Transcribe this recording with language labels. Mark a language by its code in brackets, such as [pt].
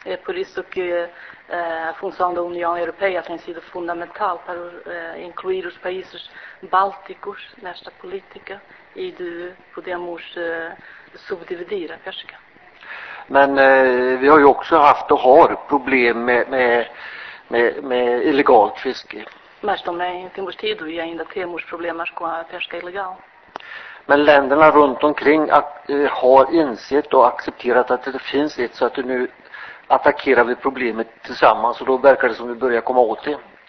[pt] Pour isso que funcionando a União Europeia tem sido fundamental para incluir os países bálticos nesta política e de podermos subdividir a pesca. [sv] Men vi har ju också haft och har problem med illegalt fiske. [pt] Mas também temos tido e ainda temos problemas com a pesca ilegal. [sv] Men länderna runt omkring har insett och accepterat att det finns ett, så att det nu attackerar vi problemet tillsammans, och då verkar det som vi börjar komma åt det.